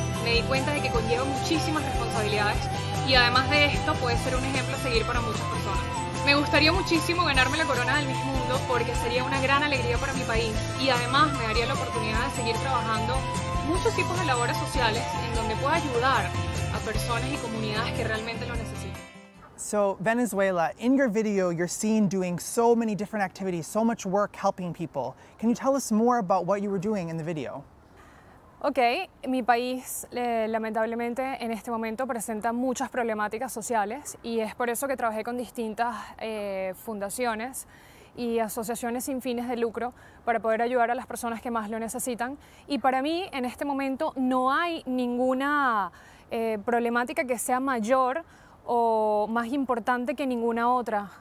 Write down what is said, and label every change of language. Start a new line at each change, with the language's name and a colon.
Spanish: Me di cuenta de que conlleva muchísimas responsabilidades y además de esto puede ser un ejemplo a seguir para muchas personas. Me gustaría muchísimo ganarme la corona del Miss Mundo porque sería una gran alegría para mi país y además me daría la oportunidad de seguir trabajando muchos tipos de labores sociales en donde pueda ayudar a personas y comunidades que realmente lo necesitan.
English: So, Venezuela, in your video, you're seen doing so many different activities, so much work helping people. Can you tell us more about what you were doing in the video?
Spanish: Okay, mi país lamentablemente en este momento presenta muchas problemáticas sociales y es por eso que trabajé con distintas fundaciones y asociaciones sin fines de lucro para poder ayudar a las personas que más lo necesitan. Y para mí en este momento no hay ninguna problemática que sea mayor o más importante que ninguna otra.